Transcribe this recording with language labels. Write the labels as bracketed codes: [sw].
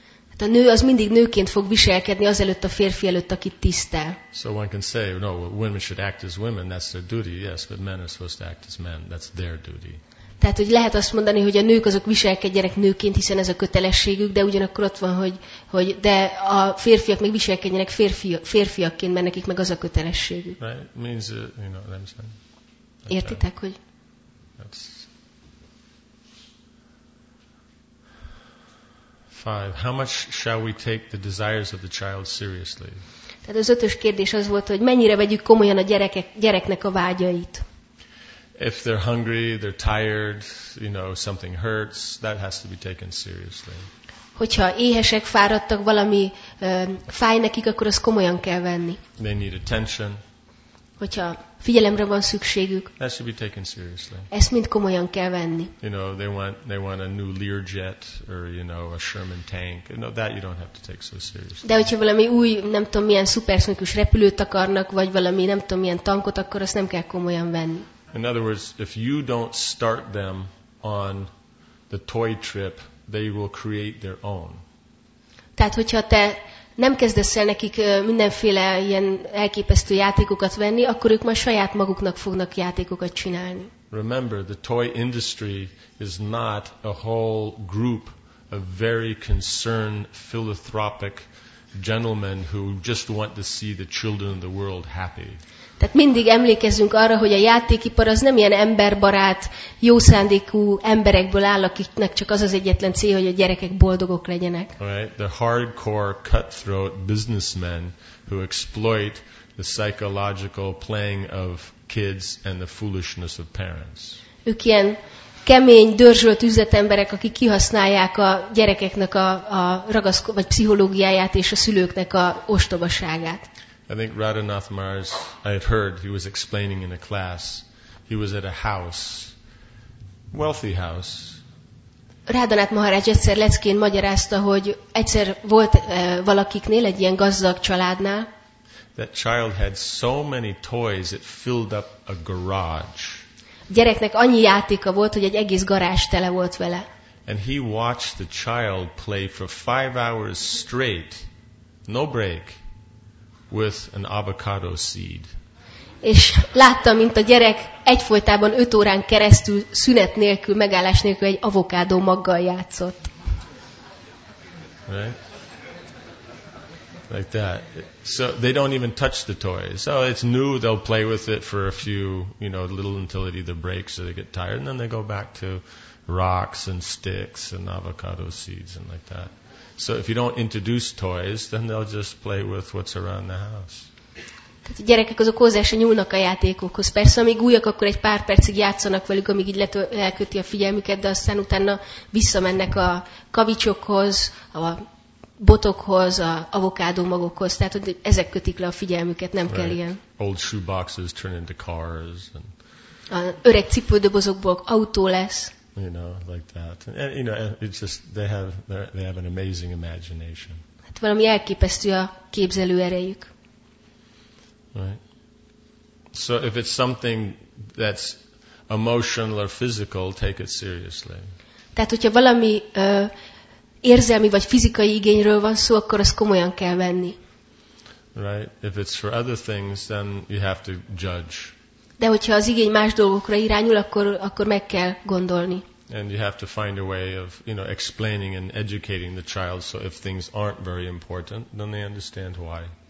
[hu] Hát a nő az mindig nőként fog viselkedni azelőtt a férfi előtt, akit tisztel. [en] So one can say, no, women should act as women, that's their duty, yes, but men are supposed to act as men, that's their duty. [hu] Tehát, hogy lehet azt mondani, hogy a nők azok viselkedjenek nőként, hiszen ez a kötelességük, de ugyanakkor ott van, hogy de a férfiak meg viselkedjenek férfiakként, mert nekik meg az a kötelességük. [en] Right. Means, you know, [hu] nem hiszem. Értitek, hogy? [en] That's five. How much shall we take the desires of the child seriously? [hu] Tehát az ötös kérdés az volt, hogy mennyire vegyük komolyan a gyereknek a vágyait. [en] If they're hungry, they're tired, you know, something hurts, that has to be taken seriously. [hu] Hogyha éhesek, fáradtak, valami fáj nekik, akkor azt komolyan kell venni. [en] They need attention. [hu] Hogyha figyelemre van szükségük. [en] That should be taken seriously. [hu] Ezt mind komolyan kell venni. [en] You know, they want a new Learjet or you know, a Sherman tank. No, that you don't have to take so seriously. [hu] De hogyha valami új, nem tudom, milyen szuperszonikus repülőt akarnak, vagy valami, nem tudom, milyen tankot, akkor azt nem kell komolyan venni. [en] In other words, if you don't start them on the toy trip, they will create their own. [hu] Tehát, hogyha te nem kezdesz el nekik mindenféle ilyen elképesztő játékokat venni, akkor ők majd saját maguknak fognak játékokat csinálni. [en] Remember, the toy industry is not a whole group of very concerned philanthropic gentlemen who just want to see the children of the world happy. [hu] Tehát mindig emlékezzünk arra, hogy a játékipar az nem ilyen emberbarát, jószándékú emberekből áll, akiknek csak az az egyetlen cél, hogy a gyerekek boldogok legyenek. [en] Right. The hardcore cutthroat businessmen who exploit the psychological playing of kids and the foolishness of parents. [hu] Ők ilyen kemény, dörzsölt üzletemberek, akik kihasználják a gyerekeknek a pszichológiáját és a szülőknek a ostobaságát. [en] I think Radhanath Maharaj, I had heard, he was explaining in a class, he was at a house, wealthy house. [hu] Radhanath Maharaj egyszer leckén magyarázta, hogy egyszer volt valakiknél, egy ilyen gazdag családnál. [en] That child had so many toys, it filled up a garage. [hu] A gyereknek annyi játéka volt, hogy egy egész garázs tele volt vele. [en] And he watched the child play for 5 hours straight, no break. With an avocado seed. [hu] És láttam, mint a gyerek egyfolytában 5 órán keresztül szünet nélkül, megállás nélkül egy avokádó maggal játszott. [en] Right? Like that. So they don't even touch the toys. So it's new, they'll play with it for a few, you know, little until it either breaks or they get tired, and then they go back to rocks and sticks and avocado seeds and like that. So if you don't introduce toys, then they'll just play with what's around the house. [hu] Tehát a gyerekek azok hozzá se nyúlnak a játékokhoz. Persze, amíg újak, akkor egy pár percig játszanak velük, amíg így elköti a figyelmüket, de aztán utána visszamennek a kavicsokhoz, a botokhoz, a avokádó magokhoz. Tehát hogy ezek kötik le a figyelmüket, nem [en] right. [hu] kell ilyen. [en] Old shoeboxes turn into cars. And [hu] a öreg cipődobozokból autó lesz. [en] You know, like that. And, you know, it's just they have an amazing imagination. [hu] Hát valami elképesztő a képzelő erejük. [en] Right. So if it's something that's emotional or physical, take it seriously. [hu] Tehát hogyha valami érzelmi vagy fizikai igényről van szó, akkor azt komolyan kell venni. [en] Right. If it's for other things, then you have to judge. [hu] De hogyha az igény más dolgokra irányul, akkor meg kell gondolni. [en] And you have to find a way of, you know, explaining and educating the child, so if things aren't very important, then they understand why.